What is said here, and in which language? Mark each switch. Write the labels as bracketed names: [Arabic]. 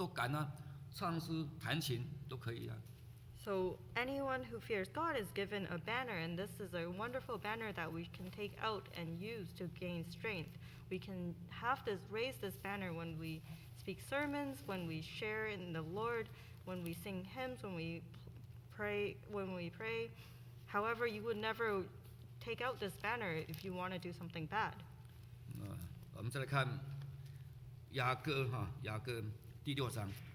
[Chinese] 哦，看一看那个事情，您敢奉耶稣的名去做吗？啊，不敢。啊，假如好事情的话，我们放出来说明机会，讲到分享，我们都敢啊，唱诗弹琴都可以啊。 [English] So anyone who fears God is given a banner, and this is a wonderful banner that we can take out and use to gain strength. We can have this, raise this banner when we speak sermons, when we share in the Lord, when we sing hymns, when we pray. However, you would never take out this banner if you want to do something bad. [Chinese] 我们再来看雅歌第六章。